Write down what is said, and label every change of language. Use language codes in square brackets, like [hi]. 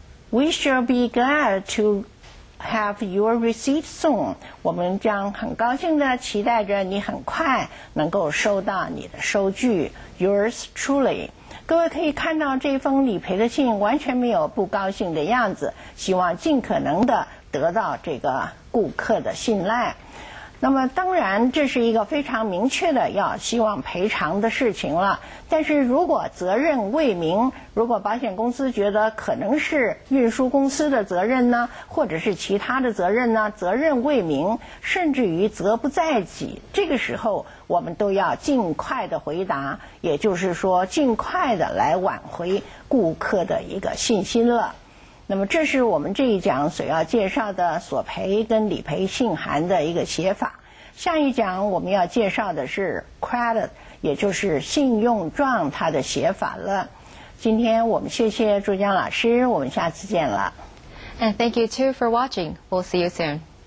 [en] We shall be glad to have your receipt soon. [zh] 我们将很高兴的期待着你很快能够收到你的收据。 [en] Yours truly. [zh] 各位可以看到这封理赔的信完全没有不高兴的样子，希望尽可能的得到这个顾客的信赖。那么当然这是一个非常明确的要希望赔偿的事情了，但是如果责任未明，如果保险公司觉得可能是运输公司的责任呢，或者是其他的责任呢，责任未明甚至于责不在己，这个时候我们都要尽快的回答，也就是说尽快的来挽回顾客的一个信心了。那么这是我们这一讲所要介绍的索赔跟理赔信函的一个写法。下一讲我们要介绍的是 credit, 也就是信用状它的写法了。今天我们谢谢朱江老师，我们下次见了。 [en] And thank you too for watching. We'll see you soon.